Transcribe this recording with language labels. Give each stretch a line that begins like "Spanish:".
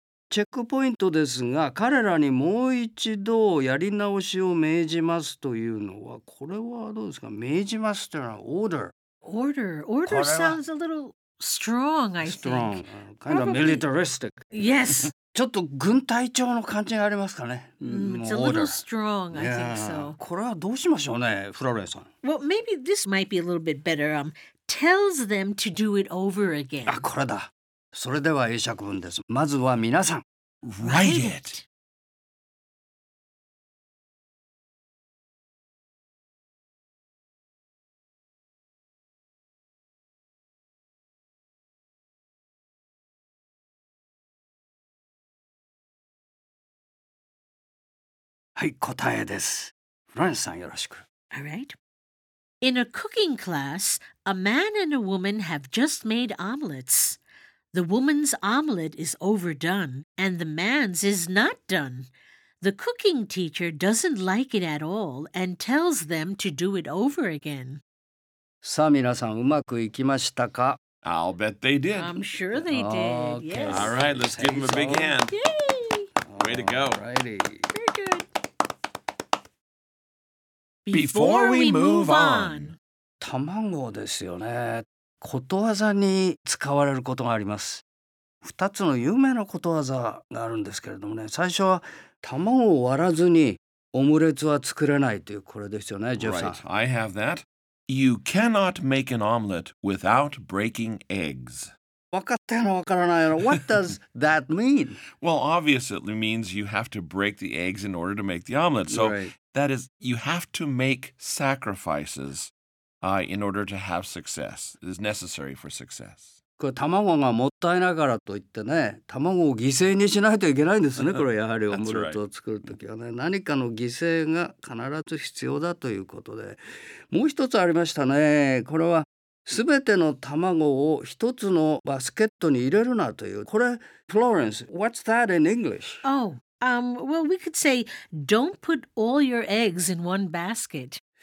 Japanese: チェックポイントですが、彼らにもう一度やり直しを命じますというのは、これはどうですか？命じますというのは order。
English: Order. Order sounds a little strong, I think. Strong. Kind of militaristic. Yes.
Japanese: ちょっと軍隊長の感じがありますかね。
English: It's a little strong, I think so.
Japanese: これはどうしましょうね、フラレーさん。
English: Well, maybe this might be a little bit better. Tells them to do it over again.
Japanese: あ、これだ。それでは英釈文です。まずは皆さん。
English: Write it!
Japanese: はい、答えです。フランスさん、よろしく。
English: All right. In a cooking class, a man and a woman have just made omelets. The woman's omelette is overdone, and the man's is not done. The cooking teacher doesn't like it at all and tells them to do it over again.
Japanese: さあ、皆さん、うまくいきましたか?
English: I'll bet they did. I'm sure they did, okay. Yes. All right, let's give them a big hand. Yay! Way to go. All righty. Very good. Before we move on.
Japanese: 卵ですよね。ことわざに使われることがあります。二つの有名なことわざがあるんですけれどもね、最初は卵を割らずにオムレツは作れないというこれですよね、ジェフさん。
English: Right, I have that. You cannot make an omelette without breaking eggs.
Japanese: 分かったの分からないの。
English: What does that mean? Well, obviously it means you have to break the eggs in order to make the omelette. So that is, you have to make sacrifices. In order to have success, it is necessary for success.
Japanese: これ卵がもったいないからといってね、卵を犠牲にしないといけないんですね。これやはりオムレツを作るときはね、何かの犠牲が必ず必要だということで、もう一つありましたね。これは全ての卵を一つのバスケットに入れるなという。
English: これ、Florence, what's that in English? Oh, well, we could say, don't put all your eggs in one basket.